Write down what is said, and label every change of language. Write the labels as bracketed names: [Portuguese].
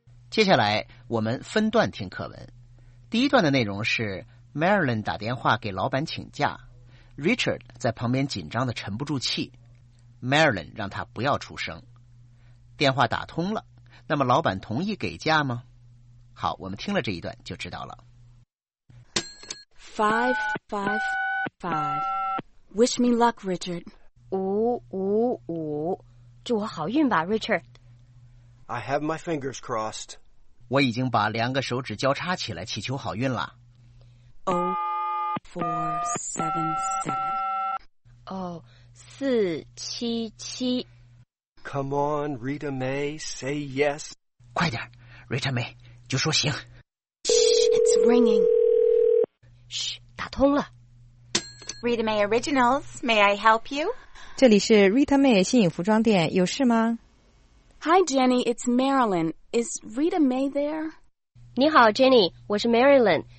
[Chinese] 接下来我们分段听课文。第一段的内容是 Marilyn 打电话给老板请假， Richard 在旁边紧张的沉不住气， Marilyn 让他不要出声。电话打通了，那么老板同意给假吗？好，我们听了这一段就知道了。 [English] Five, five, five. Wish me luck, Richard. [Chinese] 五五五，祝我好运吧 ，Richard. [English] I have my fingers crossed. [Chinese] 我已经把两个手指交叉起来，祈求好运了。 [English] Oh, four, seven, seven. [Chinese] Oh, 四七七。 [English] Come on, Rita May, say yes. [Chinese] 快点 ，Rita May， 就说行。 [English] Shh, it's ringing. [Chinese] 嘘，打通了。 [English] Rita May Originals, may I help you? [Chinese] 这里是 Rita May 新颖服装店，有事吗 [English] ？Hi Jenny, it's Marilyn. Is Rita May there? [Chinese] 你好 ，Jenny， 我是 Marilyn。